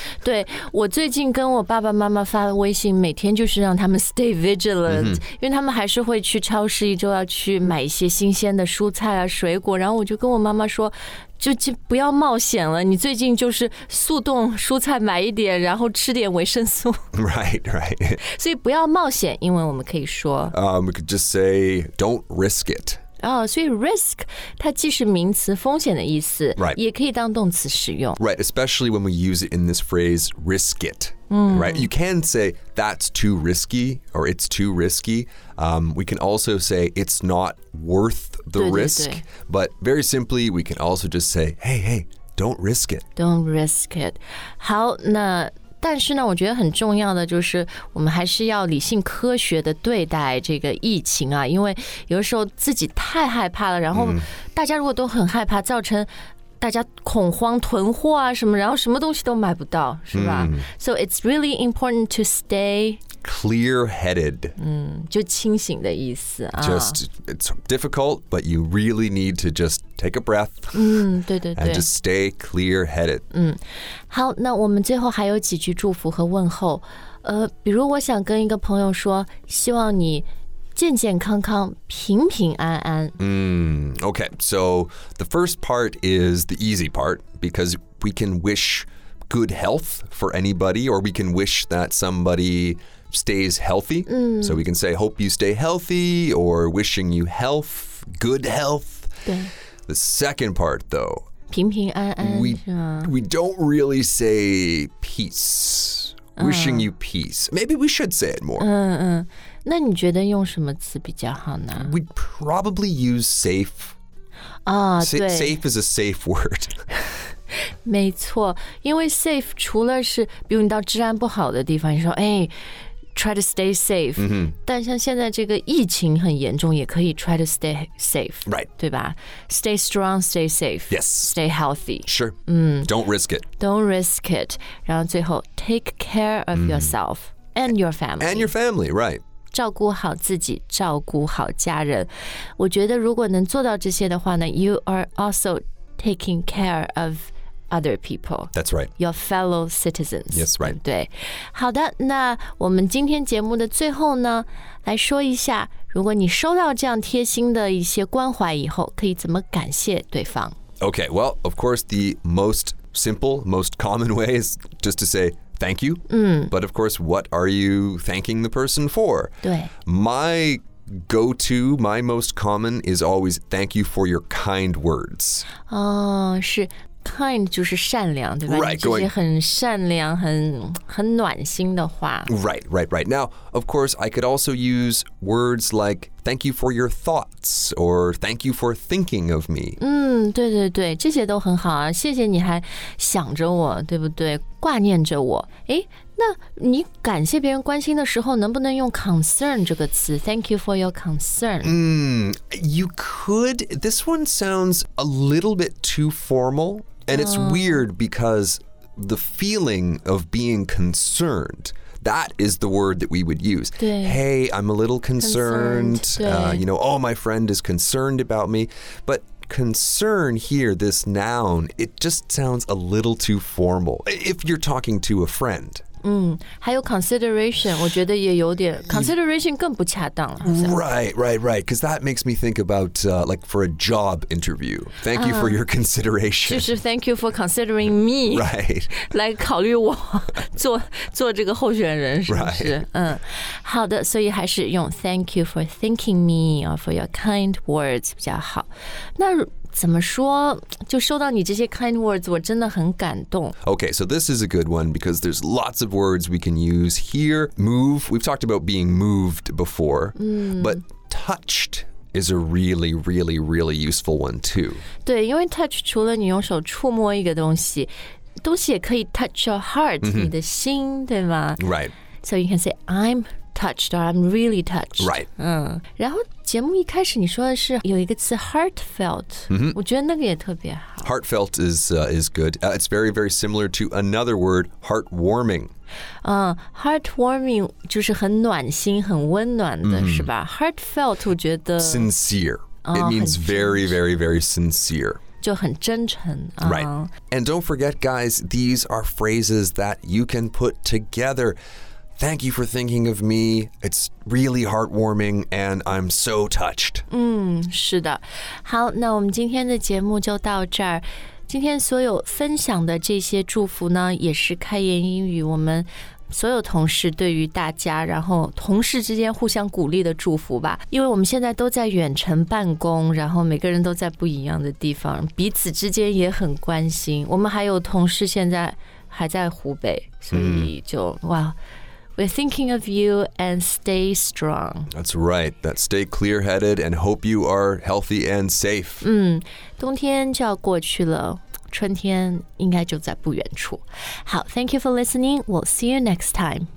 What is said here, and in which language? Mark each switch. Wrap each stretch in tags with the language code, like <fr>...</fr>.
<zh>对，我最近跟我爸爸妈妈发微信，每天就是让他们</zh> <en>stay vigilant,</en> <zh>因为他们还是会去超市一周要去买一些新鲜的蔬菜啊、水果，然后我就跟我妈妈说就不要冒险了，你最近就是速冻蔬菜买一点，然后吃点维生素。</zh> <en>Right, right.</en> <zh>所以不要冒险，因为我们可以说。</zh> <en>We could just say, don't risk it.</en> <zh>所以 risk, 它既是名词风险的意思、</zh> <en>right.</en> <zh>也可以当动词使用。</zh> <en>Right, especially when we use it in this phrase, risk it. Right, you can say that's too risky or it's too risky. We can also say it's not worth the risk. But very simply, we can also just say, hey, don't risk it. Don't risk it.</en> <zh>好，那但是呢，我觉得很重要的就是我们还是要理性科学的对待这个疫情啊，因为有的时候自己太害怕了，然后大家如果都很害怕，造成大家恐慌囤货啊什么，然后什么东西都买不到，是吧？</zh> <en>So it's really important to stay clear-headed.</en> <zh>就清醒的意思啊。</zh> <en>Just, it's difficult, but you really need to just take a breath.</en> <zh>对对对。</zh> <en>And just stay clear-headed.</en> <zh>好，那我们最后还有几句祝福和问候。比如我想跟一个朋友说，希望你健健康康，平平安安。</zh> <en>Okay, so the first part is the easy part because we can wish good health for anybody or we can wish that somebody stays healthy. So we can say, hope you stay healthy or wishing you health, good health.</en> <zh>对。</zh> <en>The second part though,</en> <zh>平平安安</zh> <en>we don't really say peace, wishing you peace. Maybe we should say it more.</en> <zh>那你觉得用什么词比较好呢？</zh> <en>We'd probably use safe. Safe is a safe word.</en> <zh>没错，因为 safe 除了是比如你到治安不好的地方，你说哎，</zh> <en>try to stay safe. Mm-hmm.</en> <zh>但像现在这个疫情很严重，也可以</zh> <en>try to stay safe. Right.</en> <zh>对吧</zh> <en>？Stay strong, stay safe. Yes. Stay healthy. Sure. Don't risk it. Don't risk it.</en> <zh>然后最后</zh> <en>take care of yourself and your family. And your family, right.</en> <zh>照顾好自己，照顾好家人。我觉得如果能做到这些的话呢</zh> <en>you are also taking care of other people. That's right. Your fellow citizens. Yes, right.</en> <zh>对。好的，那我们今天节目的最后呢，来说一下，如果你收到这样贴心的一些关怀以后，可以怎么感谢对方？</zh> <en>Okay, well, of course, the most simple, most common way is just to say,Thank you. But of course, what are you thanking the person for?</en> <zh>对</zh> <en>My go-to, my most common is always thank you for your kind words.</en> <zh>哦、是 kind 就是善良对吧</zh> <en>Right,</en> <zh>这些很善良很暖心的话</zh> <en>Right, right, right. Now, of course, I could also use words like thank you for your thoughts or thank you for thinking of me.</en> <zh>对对对这些都很好啊谢谢你还想着我对不对挂念着我诶那你感谢别人关心的时候能不能用 concern 这个词</zh> <en>Thank you for your concern. You could. This one sounds a little bit too formal. And it's weird because the feeling of being concerned, that is the word that we would use. Hey, I'm a little concerned. You know, oh, my friend is concerned about me. But... concern here, this noun, it just sounds a little too formal. If you're talking to a friend.</en> <zh>还有 consideration, 我觉得也有点 consideration 更不恰当了。</zh> <en>Right, right, right. Because that makes me think about, like, for a job interview. Thank you for your consideration.</en> <zh>就是</zh> <en>thank you for considering me. Right.</en> <zh>来考虑我做这个候选人是不是、</zh> <en>right.</en> <zh>好的所以还是用</zh> <en>thank you for thinking me or for your kind words</en> <zh>比较好。那怎么说就收到你这些</zh> <en>kind words</en> <zh>我真的很感动</zh> <en>Okay, so this is a good one because there's lots of words we can use here Move, we've talked about being moved before But touched is a really, really, really useful one too</en> <zh>对因为 touch 除了你用手触摸一个东西东西也可以</zh> <en>touch your heart、</en> <zh>你的心对吗</zh> <en>Right So you can say I'm touched or I'm really touched Right</en> <zh>然后节目一开始你说的是有一个词 heartfelt、我觉得那个也特别好</zh> <en>Heartfelt is good、It's very very similar to another word Heartwarming、</en> <zh>Heartwarming 就是很暖心很温暖的、是吧 Heartfelt 我觉得</zh> <en>Sincere、It means very very very sincere</en> <zh>就很真诚、</zh> <en>Right And don't forget guys These are phrases that you can put togetherThank you for thinking of me. It's really heartwarming, and I'm so touched.</en> <zh>是的。好，那我们今天的节目就到这儿。今天所有分享的这些祝福呢，也是开言英语我们所有同事对于大家，然后同事之间互相鼓励的祝福吧。因为我们现在都在远程办公，然后每个人都在不一样的地方，彼此之间也很关心。我们还有同事现在还在湖北，所以就、哇。</zh> <en>We're thinking of you and stay strong. That's right. That stay clear-headed and hope you are healthy and safe.</en> <zh>冬天就要过去了，春天应该就在不远处。好，</zh> <en>thank you for listening. We'll see you next time.</en>